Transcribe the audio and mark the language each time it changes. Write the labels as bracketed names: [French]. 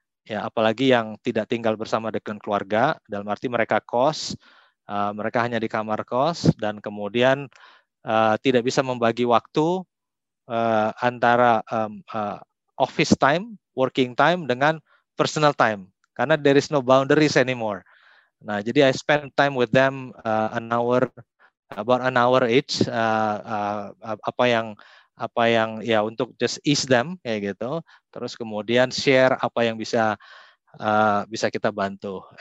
[Indonesian] Ya, apalagi yang tidak tinggal bersama dengan keluarga, dalam arti mereka kos, mereka hanya di kamar kos, dan kemudian tidak bisa membagi waktu antara office time, working time, dengan personal time. Karena [English] there is no boundaries anymore. [Indonesian] Nah, jadi [English] I spend time with them about an hour each. [Indonesian] Apa yang untuk [English] just ease them [Indonesian] kayak gitu. Terus kemudian share apa yang bisa kita bantu.